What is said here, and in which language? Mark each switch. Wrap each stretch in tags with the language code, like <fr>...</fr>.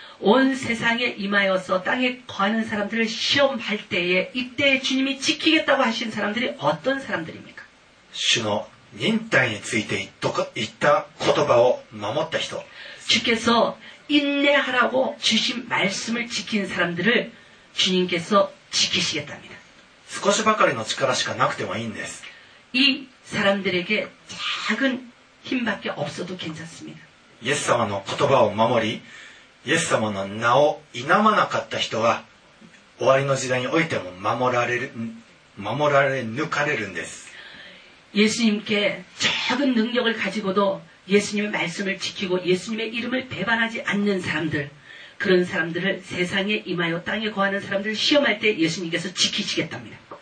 <ko>온세상에임하여서땅에거하는사람들을시험할때에이때에주님이지키겠다고하신사람들이어떤사람들입니까</ko> <ja>주노忍耐について言った言葉を守った人</ja> <ko>주께서인내하라고주신말씀을지킨사람들을주님께서지키시겠답니다</ko> <ja>少しばかりの力しかなくてもいいんです</ja> <ko>이사람들에게작은힘밖에없어도괜찮습니다</ko> <ja>예수様の言葉を守りイエス様の名を否まなかった人は終わりの時代においても守られ抜かれるんです</ja> <ko>예수님께작은능력을가지고도예수님의말씀을지키고예수님의이름을배반하지않는사람들그런사람들을세상에임하여땅에거하는사람들을시험할때예수님께서지키시겠답니다</ko>